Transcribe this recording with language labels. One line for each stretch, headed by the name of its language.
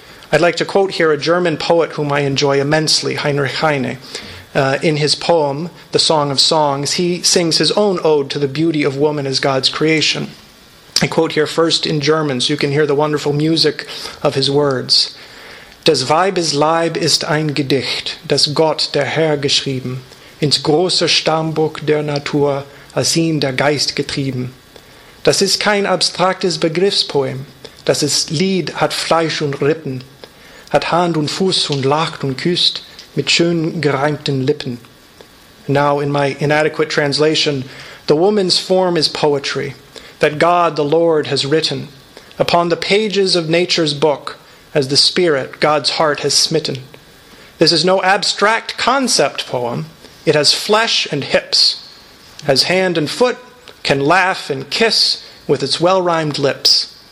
English: I'd like to quote here a German poet whom I enjoy immensely, Heinrich Heine. In his poem, The Song of Songs, he sings his own ode to the beauty of woman as God's creation. I quote here first in German, so you can hear the wonderful music of his words.
German: Das Weibesleib ist ein Gedicht, das Gott der Herr geschrieben, ins große Stammbuch der Natur, als ihn der Geist getrieben. Das ist kein abstraktes Begriffspoem, das ist Lied, hat Fleisch und Rippen, hat Hand und Fuß und lacht und küsst mit schön gereimten Lippen.
English: Now, in my inadequate translation, the woman's form is poetry that God the Lord has written upon the pages of nature's book as the spirit God's heart has smitten. This is no abstract concept poem. It has flesh and hips, has hand and foot, can laugh and kiss with its well-rhymed lips.